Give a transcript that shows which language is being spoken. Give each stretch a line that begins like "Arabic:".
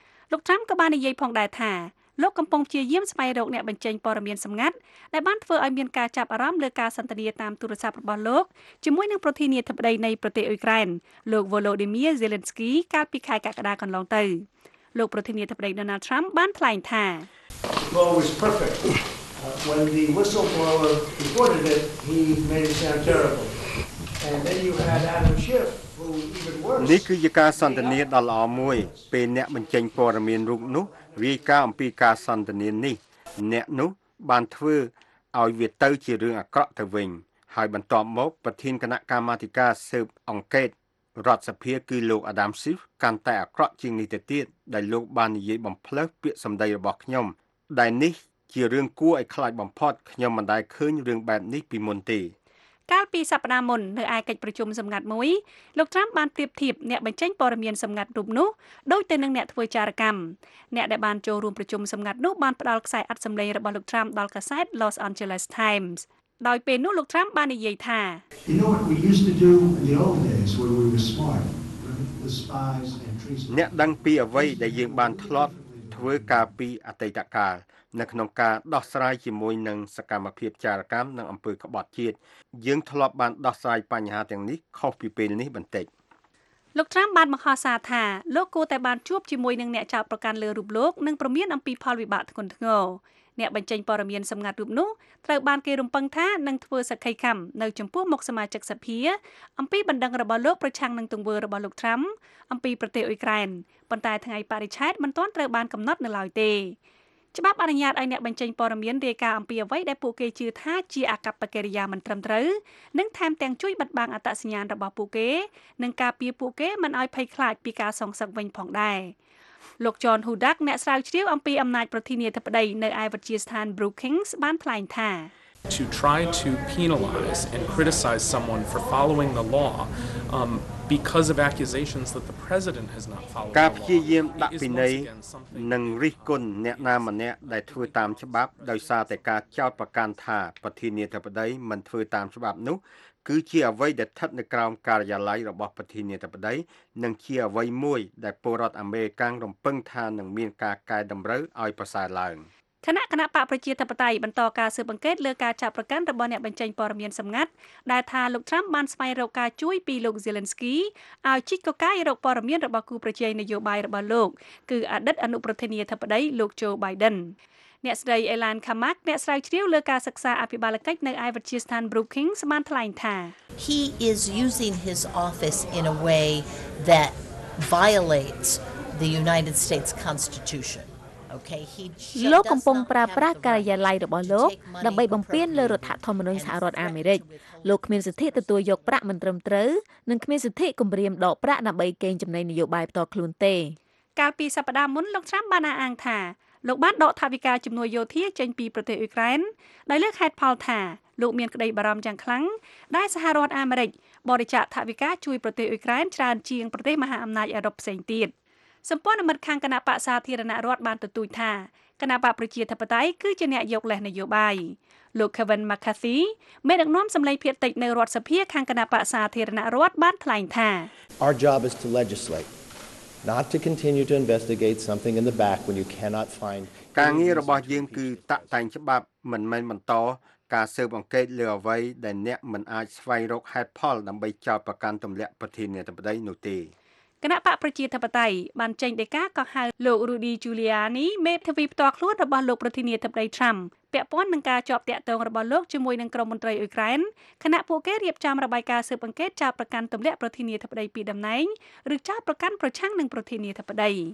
Khmer: លោកត្រាំក៏បាននិយាយផងដែរថាលោកកំពុងព្យាយាមស្វែងរកអ្នកបញ្ចេញព័ត៌មានសម្ងាត់ដែលបានធ្វើឲ្យមានការចាប់អារម្មណ៍លើការសន្ទនាតាមទូរស័ព្ទរបស់លោកជាមួយនឹងប្រធានាធិបតីនៃប្រទេសអ៊ុយក្រែនលោក Volodymyr Zelensky កាលពីខែកក្កដាកន្លងទៅលោកប្រធានាធិបតី Donald Trump បានថ្លែងថា
English: "Well, it was perfect. When the whistleblower reported it, he made it sound terrible. And then you had Adam Schiff."
Khmer: នេះគឺជាការសន្ទនាដ៏ល្អមួយពេលអ្នកបញ្ចេញព័ត៌មានរូបនោះរាយការណ៍អំពីការសន្ទនានេះអ្នកនោះបានធ្វើឲ្យវាទៅជារឿងអាក្រក់ទៅវិញហើយបន្ទាប់មកប្រធានគណៈកម្មាធិការស៊ើបអង្កេតរដ្ឋសភាគឺលោកអាដាមស៊ីហ្វកាន់តែអាក្រក់ជាងនេះទៅទៀតដែលលោកបាននិយាយបំផ្លើសពាក្យសម្ដីរបស់ខ្ញុំដែលនេះជារឿងគួរឲ្យខ្លាចបំផុតខ្ញុំមិនដែលឃើញរឿងបែបនេះពីមុនទេ កាលពីសប្តាហ៍មុននៅឯកិច្ចប្រជុំសម្ងាត់មួយលោកត្រាំបានប្រៀបធៀបអ្នកបញ្ចេញព័ត៌មានសម្ងាត់រូបនោះដូចទៅនឹងអ្នកធ្វើចារកម្មអ្នកដែលបានចូលរួមប្រជុំសម្ងាត់នោះបានផ្ដល់ខ្សែអត្ថសម្លេងរបស់លោកត្រាំដល់កាសែត Los Angeles Times ដោយពេលនោះលោកត្រាំបាននិយាយថា
English: You know what we used to do in the old days when we were smart the spies and treason
Khmer: អ្នកដឹងពីអ្វីដែលយើងបានធ្លាប់ធ្វើកាលពីអតីតកាលនៅក្នុងការដោះស្រាយជាមួយនឹងសកម្មភាពចារកម្មនៅអំពើក្បត់ជាតិយើងធ្លាប់បានដោះស្រាយបញ្ហាទាំងនេះខុសពីពេលនេះបន្តិច លោកត្រាំបានបង្ហោះសារថាលោកគូតែបានជួបជាមួយនឹងអ្នកចោទប្រកាន់លើរូបលោកនិងព្រមានអំពីផលវិបាកធ្ងន់ធ្ងរអ្នកបញ្ចេញព័ត៌មានសម្ងាត់រូបនោះត្រូវបានគេរំពឹងថានឹងធ្វើសក្ខីកម្មនៅចំពោះមុខសមាជិកសភាអំពីបណ្ដឹងរបស់លោកប្រឆាំងនឹងទង្វើរបស់លោកត្រាំអំពីប្រទេសអ៊ុយក្រែនប៉ុន្តែថ្ងៃបរិច្ឆេទមិនទាន់ត្រូវបានកំណត់នៅឡើយទេ ច្បាប់អនុញ្ញាតឲ្យអ្នកបញ្ចេញព័ត៌មានរាយការណ៍អំពីអ្វីដែលពួកគេជឿថាជាអកប្បកិរិយាមិនត្រឹមត្រូវនិងថែមទាំងជួយបិទបាំងអត្តសញ្ញាណរបស់ពួកគេនិងការពារពួកគេមិនឲ្យភ័យខ្លាចពីការសងសឹកវិញផងដែរលោកចនហ៊ូដាក់អ្នកស្រាវជ្រាវអំពីអំណាចប្រធានាធិបតីនៅឯវិទ្យាស្ថាន Brookings បានថ្លែងថា
English: To try to penalize and criticize someone for following the law because of accusations that the president has not followed
Khmer: ការព្យាយាមដាក់ពិន័យនិងរិះគន់អ្នកណាម្នាក់ដែលធ្វើតាមច្បាប់ដោយសារតែការចោទប្រកាន់ថាប្រធានាធិបតីមិនធ្វើតាមច្បាប់នោះគឺជាអ្វីដែលស្ថិតនៅក្រោមការិយាល័យរបស់ប្រធានាធិបតីនិងជាអ្វីមួយដែលពលរដ្ឋអាមេរិករំពឹងថានឹងមានការកែតម្រូវឲ្យប្រសើរឡើង គណៈបកប្រជាធិបតេយ្យបន្តការស៊ើបអង្កេតលើការចាប់ប្រកាន់របស់អ្នកបញ្ចេញព័ត៌មានសម្ងាត់ដែលថាលោកត្រាំបានស្វែងរកការជួយពីលោក Zelensky ឲ្យជីកកកាយរកព័ត៌មានរបស់គូប្រជែងនយោបាយរបស់លោកគឺអតីតអនុប្រធានាធិបតីលោក Joe Biden អ្នកស្រី Elan Kamak អ្នកស្រាវជ្រាវលើការសិក្សាអភិបាលកិច្ចនៅឯវិទ្យាស្ថាន Brookings បានថ្លែងថា
English: He is using his office in a way that violates the United States Constitution.
Khmer: លោកកំពុងប្រើប្រាស់ការិយាល័យរបស់លោកដើម្បីបំពានលើរដ្ឋធម្មនុញ្ញសហរដ្ឋអាមេរិកលោកគ្មានសិទ្ធិទទួលយកប្រាក់មិនត្រឹមត្រូវនិងគ្មានសិទ្ធិគម្រាមដកប្រាក់ដើម្បីកេងចំណេញនយោបាយផ្ទាល់ខ្លួនទេ កាលពីសប្តាហ៍មុនលោកត្រាំបានអាងថាលោកបានដកថវិកាជំនួយយោធាចេញពីប្រទេសអ៊ុយក្រែនដោយលើកហេតុផលថាលោកមានក្តីបារម្ភយ៉ាងខ្លាំងដែលសហរដ្ឋអាមេរិកបរិច្ចាគថវិកាជួយប្រទេសអ៊ុយក្រែនច្រើនជាងប្រទេសមហាអំណាចអឺរ៉ុបផ្សេងទៀតសម្ព័ន្ធមិត្តខាងគណៈបកសាធារណរដ្ឋបានទទូចថាគណៈបកប្រជាធិបតេយ្យគឺជាអ្នកយកលេសនយោបាយលោក Kevin McCarthy មេដឹកនាំសម្លេងភៀតតិចនៅរដ្ឋសភាខាងគណៈបកសាធារណរដ្ឋបានថ្លែងថា
English: Our job is to legislate not to continue to investigate something in the back when you cannot find
Khmer: ការងាររបស់យើងគឺតតែងច្បាប់មិនមែនបន្តការស៊ើបអង្កេតលើអ្វីដែលអ្នកមិនអាចស្វែងរកហេតុផលដើម្បីចោទប្រកាន់ទម្លាក់ប្រធានាធិបតីនោះទេ គណៈបកប្រជាធិបតេយ្យបានចេញដីកាកោះហៅលោករូឌីជូលីអានីមេធាវីផ្ទាល់ខ្លួនរបស់លោកប្រធានាធិបតីត្រាំពាក់ព័ន្ធនឹងការជាប់ទាក់ទងរបស់លោកជាមួយនឹងក្រុមមន្ត្រីអ៊ុយក្រែនខណៈពួកគេរៀបចំរបាយការណ៍ស៊ើបអង្កេតចោទប្រកាន់ទម្លាក់ប្រធានាធិបតីពីដំណែងឬចោទប្រកាន់ប្រឆាំងនឹងប្រធានាធិបតី